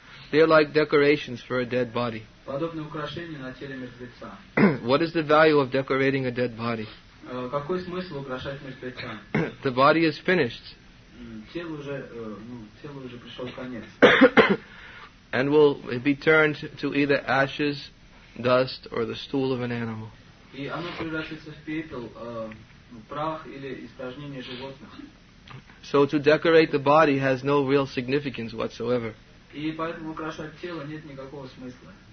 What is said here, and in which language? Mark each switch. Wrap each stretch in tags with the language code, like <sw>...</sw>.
<en>They are like decorations for a dead body. What is the value of decorating a dead body?</en> <ru>Какой смысл украшать мертвеца?</ru> <en>The body is finished.</en> <ru>Тело уже пришел конец.</ru> <en>And will be turned to either ashes, dust, or the stool of an animal.</en> <ru>И оно превратится в пепел, прах или испражнение животных.</ru> <en>So to decorate the body has no real significance whatsoever.</en> <ru>И поэтому украшать тело нет никакого смысла.</ru>